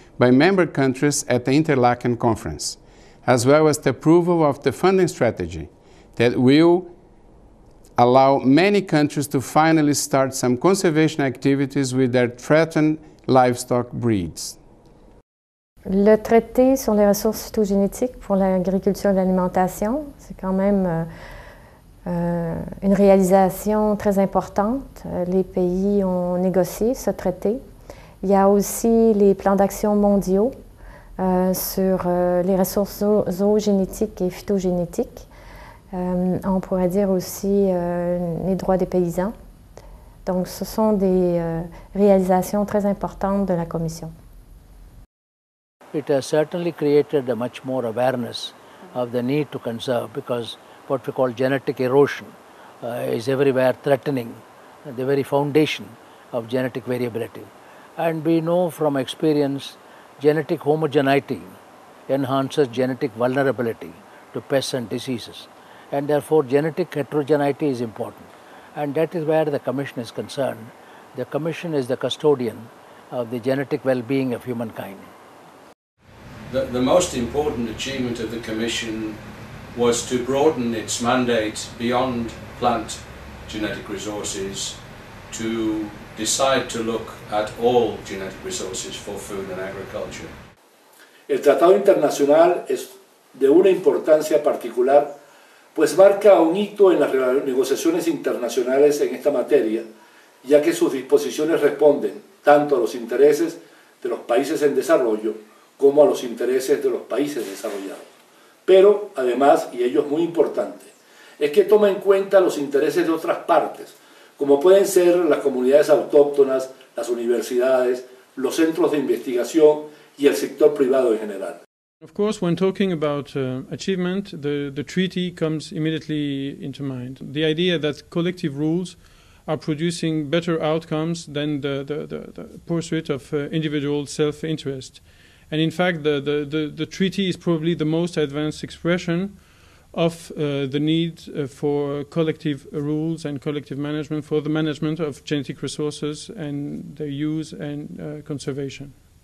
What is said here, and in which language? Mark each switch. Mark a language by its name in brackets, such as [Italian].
[English] by member countries at the Interlaken Conference, as well as the approval of the funding strategy that will allow many countries to finally start some conservation activities with their threatened livestock breeds. [French] Le traité sur les ressources phytogénétiques pour l'agriculture et l'alimentation, c'est quand même une réalisation très importante. Les pays ont négocié ce traité. Il y a aussi les plans d'action mondiaux sur les ressources zoogénétiques et phytogénétiques. On pourrait dire aussi les droits des paysans. Donc ce sont des réalisations très importantes de la Commission. [English] It has certainly created a much more awareness of the need to conserve, because what we call genetic erosion is everywhere threatening the very foundation of genetic variability. And we know from experience, genetic homogeneity enhances genetic vulnerability to pests and diseases. And therefore, genetic heterogeneity is important. And that is where the Commission is concerned. The Commission is the custodian of the genetic well-being of humankind. The most important achievement of the Commission was to broaden its mandate beyond plant genetic resources to decide to look at all genetic resources for food and agriculture. [Spanish] El Tratado Internacional es de una importancia particular, pues marca un hito en las negociaciones internacionales en esta materia, ya que sus disposiciones responden tanto a los intereses de los países en desarrollo como a los intereses de los países desarrollados. Pero, además, y ello es muy importante, es que toma en cuenta los intereses de otras partes, como pueden ser las comunidades autóctonas, las universidades, los centros de investigación y el sector privado en general. [English] Of course, when talking about achievement, the treaty comes immediately into mind. The idea that collective rules are producing better outcomes than the pursuit of individual self-interest. And in fact, the treaty is probably the most advanced expression of the need for collective rules and collective management for the management of genetic resources and their use and conservation.